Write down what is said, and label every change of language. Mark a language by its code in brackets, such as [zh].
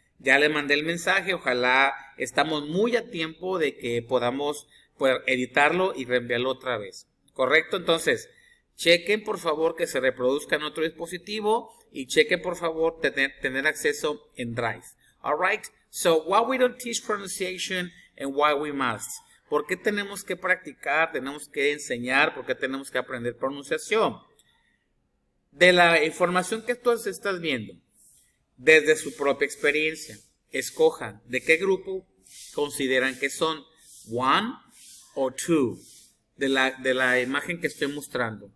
[es] Ya le mandé el mensaje, ojalá estamos muy a tiempo de que podamos poder editarlo y reenviarlo otra vez. ¿Correcto? Entonces, chequen por favor que se reproduzca en otro dispositivo y chequen por favor tener acceso en Drive. [en] Alright, so why we don't teach pronunciation and why we must. [es] ¿Por qué tenemos que practicar, tenemos que enseñar, por qué tenemos que aprender pronunciación? De la información que tú estás viendo, desde su propia experiencia, escojan de qué grupo consideran que son, one o two, de la imagen que estoy mostrando.